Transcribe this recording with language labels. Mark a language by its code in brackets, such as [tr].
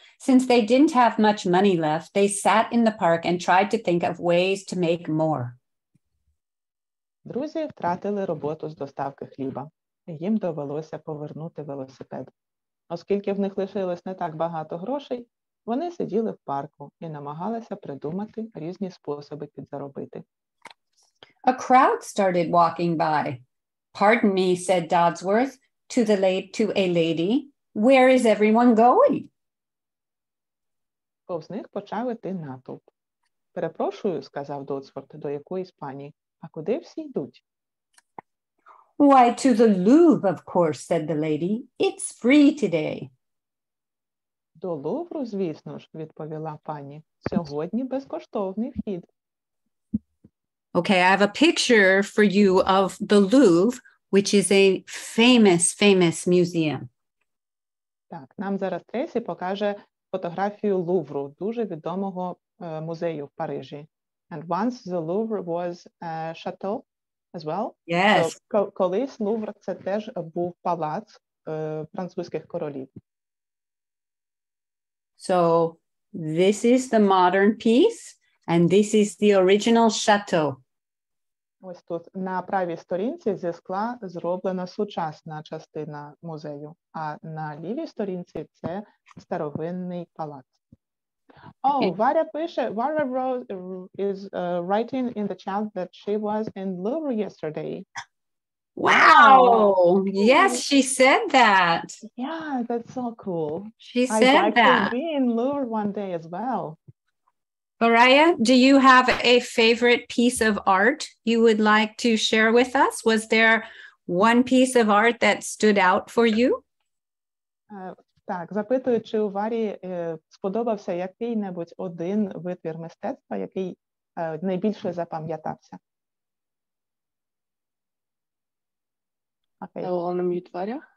[en] Since they didn't have much money left, they sat in the park and tried to think of ways to make more. [uk] Друзі втратили роботу з доставки хліба. Їм довелося повернути велосипед. Оскільки в них лишилось не так багато грошей, вони сиділи в парку і намагалися придумати різні способи підзаробити. [en] A crowd started walking by. Pardon me, said Dodsworth, to a lady. Where is everyone going? [uk] Повз них почав іти натовп. Перепрошую, сказав Додсворт, до якоїсь пані. А куди всі йдуть? [en] Why, to the Louvre, of course, said the lady. It's free today. [uk] До Лувру, звісно ж, відповіла пані. Сьогодні безкоштовний вхід. [en] Okay, I have a picture for you of the Louvre, which is a famous, famous museum. [uk] Так, нам зараз Тресі покаже фотографію Лувру, дуже відомого музею в Парижі. [en] And once the Louvre was a chateau as well. Yes. [uk] So, колись Лувр – це теж був палац французьких королів. [en] So, this is the modern piece, and this is the original chateau. [uk] Ось тут на правій сторінці зі скла зроблена сучасна частина музею, а на лівій сторінці – це старовинний палац. [en] Oh, Varya Pisha, Varya Rose is writing in the chat that she was in Louvre yesterday. Wow! Yes, she said that. Yeah, that's so cool. She said that. I'd like to be in Louvre one day as well. Varya, do you have a favorite piece of art you would like to share with us? Was there one piece of art that stood out for you? [uk] Так, запитую, чи у Варі сподобався який-небудь один витвір мистецтва, який найбільше запам'ятався. Окей. Okay. На мій тварі.